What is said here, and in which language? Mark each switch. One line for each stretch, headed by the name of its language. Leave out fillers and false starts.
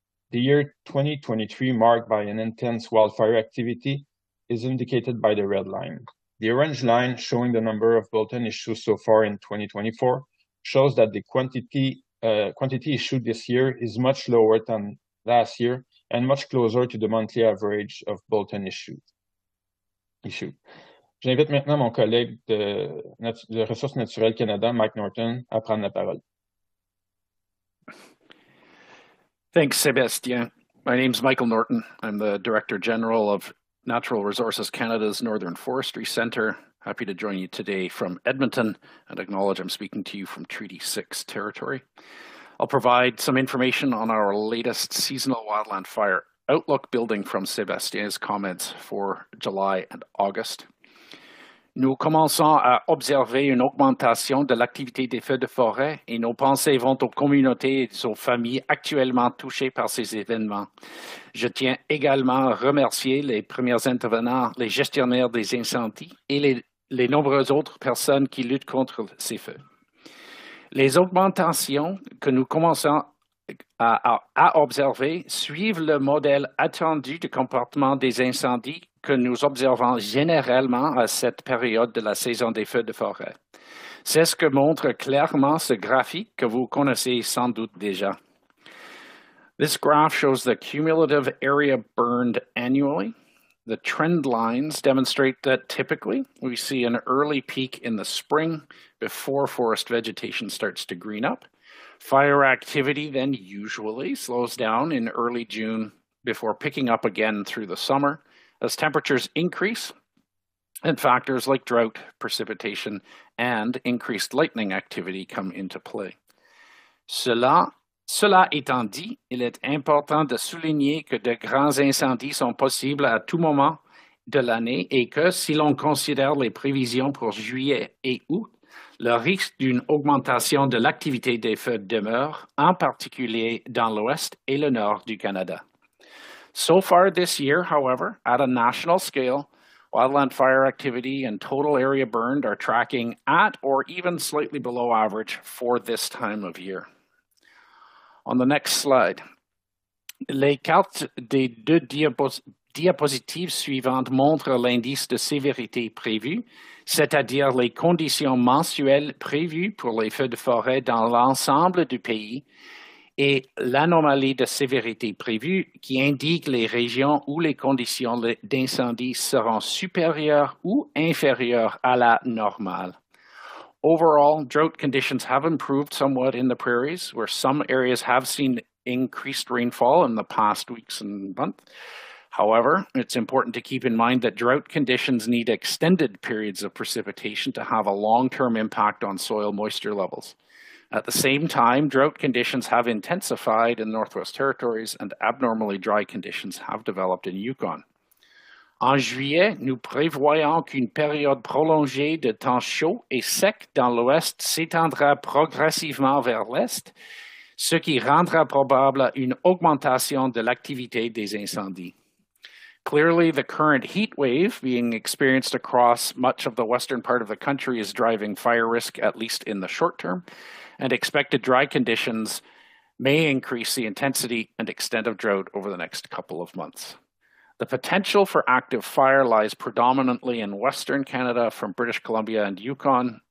English: The year 2023, marked by an intense wildfire activity, is indicated by the red line. The orange line, showing the number of bulletin issued so far in 2024, shows that the quantity issued this year is much lower than last year and much closer to the monthly average of bulletin issued.
French: J'invite maintenant mon collègue de Ressources naturelles Canada, Mike Norton, à prendre la parole.
English: Thanks, Sébastien. My name is Michael Norton. I'm the Director General of Natural Resources Canada's Northern Forestry Centre. Happy to join you today from Edmonton and acknowledge I'm speaking to you from Treaty 6 territory. I'll provide some information on our latest seasonal wildland fire outlook, building from Sébastien's comments for July and August.
French: Nous commençons à observer une augmentation de l'activité des feux de forêt et nos pensées vont aux communautés et aux familles actuellement touchées par ces événements. Je tiens également à remercier les premiers intervenants, les gestionnaires des incendies et les nombreuses autres personnes qui luttent contre ces feux. Les augmentations que nous commençons à observer suivent le modèle attendu du comportement des incendies que nous observons généralement à cette période de la saison des feux de forêt. C'est ce que montre clairement ce graphique que vous connaissez sans doute déjà.
English: This graph shows the cumulative area burned annually. The trend lines demonstrate that typically we see an early peak in the spring before forest vegetation starts to green up. Fire activity then usually slows down in early June before picking up again through the summer as temperatures increase and factors like drought, precipitation, and increased lightning activity come into play.
French: Cela étant dit, il est important de souligner que de grands incendies sont possibles à tout moment de l'année et que si l'on considère les prévisions pour juillet et août, le risque d'une augmentation de l'activité des feux demeure, en particulier dans l'ouest et le nord du Canada.
English: So far this year, however, at a national scale, wildland fire activity and total area burned are tracking at or even slightly below average for this time of year. On the next slide,
French: les cartes des deux diapositives suivantes montrent l'indice de sévérité prévu, c'est-à-dire les conditions mensuelles prévues pour les feux de forêt dans l'ensemble du pays, et l'anomalie de sévérité prévue qui indique les régions où les conditions d'incendie seront supérieures ou inférieures à la normale.
English: Overall, drought conditions have improved somewhat in the prairies, where some areas have seen increased rainfall in the past weeks and months. However, it's important to keep in mind that drought conditions need extended periods of precipitation to have a long-term impact on soil moisture levels. At the same time, drought conditions have intensified in Northwest Territories and abnormally dry conditions have developed in Yukon.
French: En juillet, nous prévoyons qu'une période prolongée de temps chaud et sec dans l'ouest s'étendra progressivement vers l'est, ce qui rendra probable une augmentation de l'activité des incendies.
English: Clearly, the current heat wave being experienced across much of the western part of the country is driving fire risk, at least in the short term, and expected dry conditions may increase the intensity and extent of drought over the next couple of months. The potential for active fire lies predominantly in Western Canada from British Columbia and Yukon,